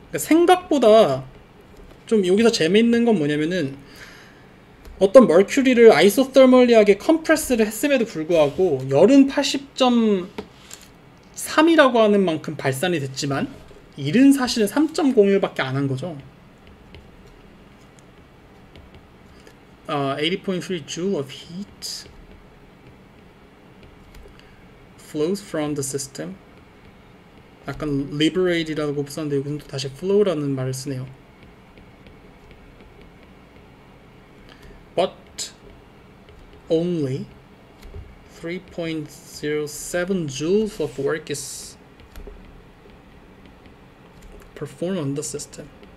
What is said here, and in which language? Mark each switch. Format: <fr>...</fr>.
<ko>그러니까 생각보다 좀 여기서 재미있는 건 뭐냐면은, 어떤 머큐리를 아이소터멀리하게 컴프레스를 했음에도 불구하고 열은 80.3이라고 하는 만큼 발산이 됐지만 일은 사실은 3.01밖에 안한 거죠.</ko> <en>80.3 joule of heat flows from the system.</en> <ko>약간 liberate이라고 썼는데 여기는 또 다시 flow라는 말을 쓰네요.</ko> <en>But only 3.07 joules of work is performed on the system.</en>